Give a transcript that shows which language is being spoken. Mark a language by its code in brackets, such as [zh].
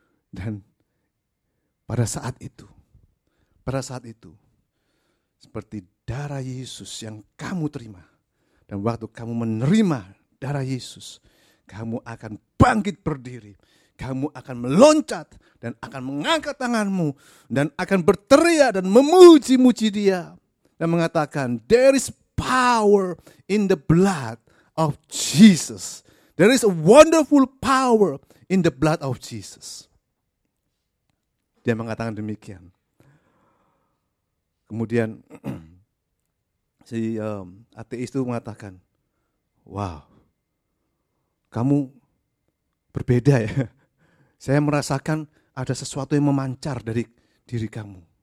[id] Dan pada saat itu, seperti darah Yesus yang kamu terima, dan waktu kamu menerima darah Yesus, kamu akan bangkit berdiri, kamu akan meloncat, dan akan mengangkat tanganmu, dan akan berteriak dan memuji-muji dia, dan mengatakan, [en] there is power in the blood of Jesus. There is a wonderful power in the blood of Jesus. [id] Dia mengatakan demikian. Kemudian si ateis itu mengatakan, wow, kamu berbeda ya. Saya merasakan ada sesuatu yang memancar dari diri kamu.